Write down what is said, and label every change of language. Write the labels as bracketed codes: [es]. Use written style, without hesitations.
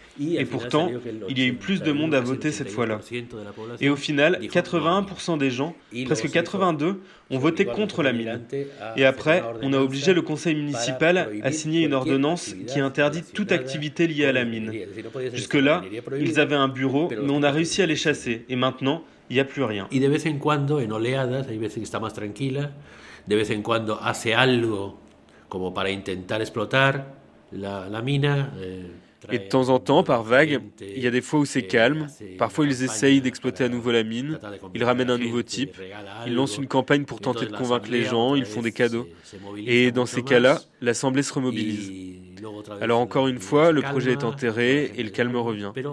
[fr] Et pourtant, il y a eu plus de monde à voter cette fois-là. Et au final, 81% des gens, presque 82%, ont voté contre la mine. Et après, on a obligé le conseil municipal à signer une ordonnance qui interdit toute activité liée à la mine. Jusque-là, ils avaient un bureau, mais on a réussi à les chasser. Et maintenant, il n'y a plus rien. Et [es] de vez en quand, en oleadas, hay veces que está más tranquila, de vez en cuando hace algo como para intentar explotar la mina. [fr] Et de temps en temps, par vague, il y a des fois où c'est calme. Parfois, ils essayent d'exploiter à nouveau la mine. Ils ramènent un nouveau type. Ils lancent une campagne pour tenter de convaincre les gens. Ils font des cadeaux. Et dans ces cas-là, l'Assemblée se remobilise. Alors encore une fois, le projet est enterré et le calme revient.